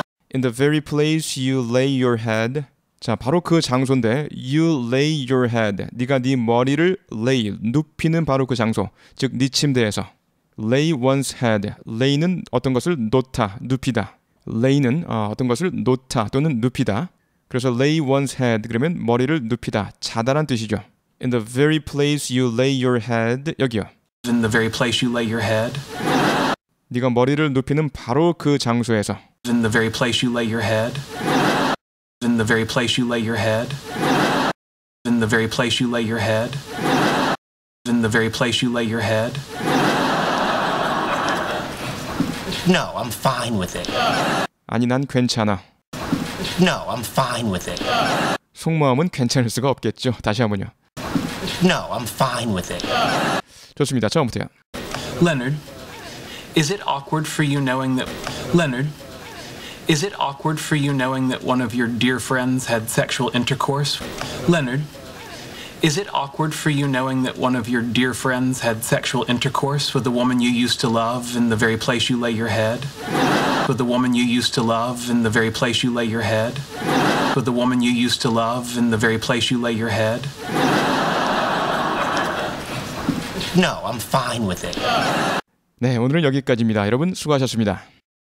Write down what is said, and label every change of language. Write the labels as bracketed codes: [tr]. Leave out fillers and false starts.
[en] in the very place you lay your head [ko] 자 바로 그 장소인데 you lay your head 네가 네 머리를 lay 눕히는 바로 그 장소 즉 네 침대에서 lay one's head lay는 어떤 것을 놓다 눕히다 lay는 어떤 것을 놓다 또는 눕히다 그래서 lay one's head 그러면 머리를 눕히다 자다란 뜻이죠 in the very place you lay your head 여기요 [en] in the very place you lay your head [ko] 네가 머리를 눕히는 바로 그 장소에서 [en] in the very place you lay your head in the very place you lay your head in the very place you lay your head in the very place you lay your head No, I'm fine with it. [ko] 아니, 난 괜찮아. [en] No, I'm fine with it. [ko] 속마음은 괜찮을 수가 없겠죠. 다시 한 번요. [en] No, I'm fine with it. [ko] 좋습니다. 처음부터요. [en] Leonard, is it awkward for you knowing that... Leonard, is it awkward for you knowing that one of your dear friends had sexual intercourse? Leonard, is it awkward for you knowing that one of your dear friends had sexual intercourse with the woman you used to love in the very place you lay your head? With the woman you used to love in the very place you lay your head? With the woman you used to love in the very place you lay your head? No, I'm fine with it. [ko] 네, 오늘은 여기까지입니다. 여러분, 수고하셨습니다.